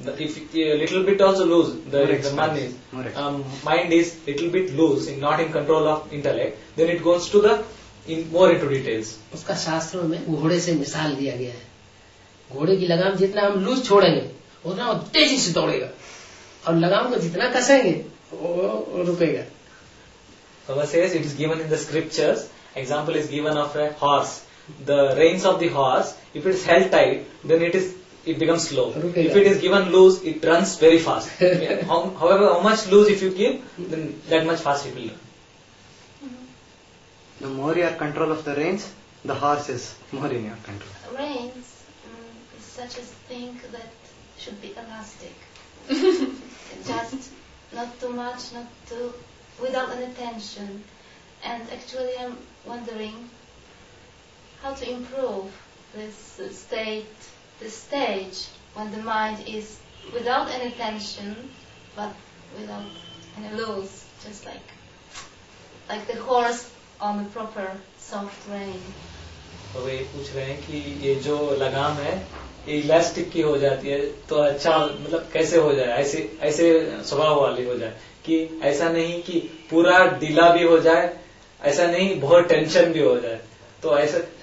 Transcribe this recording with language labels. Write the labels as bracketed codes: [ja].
[en] If little bit also loose, the mind is little bit loose, not in control of intellect, then it goes to the more into details. [hi] उसका शास्त्रों में घोड़े से मिसाल दिया गया है। घोड़े की लगाम जितना हम लूज छोड़ेंगे, उतना वो तेजी से दौड़ेगा, और लगाम को जितना कसेंगे, वो रुकेगा। [en] Baba says it is given in the scriptures. Example is given of a horse. The reins of the horse, if it is held tight, then it is it becomes slow. Okay. If it is given loose, it runs very fast. However, how much loose if you give, then that much fast it will run. The more you are control of the reins, the horse is more in your control. Reins is such a thing that should be elastic. Just not too much, not too, without any tension. And actually I'm wondering how to improve this state, the stage when the mind is without any tension, but without any loose, just like the horse on the proper soft rein. [hi] तो वे पूछ रहे हैं कि ये जो लगाम है ये इलास्टिक की हो जाती है तो अच्छा मतलब कैसे हो जाए ऐसे स्वभाव वाली हो जाए कि ऐसा नहीं कि पूरा ढीला भी हो जाए ऐसा नहीं बहुत टेंशन भी हो जाए तो ऐसा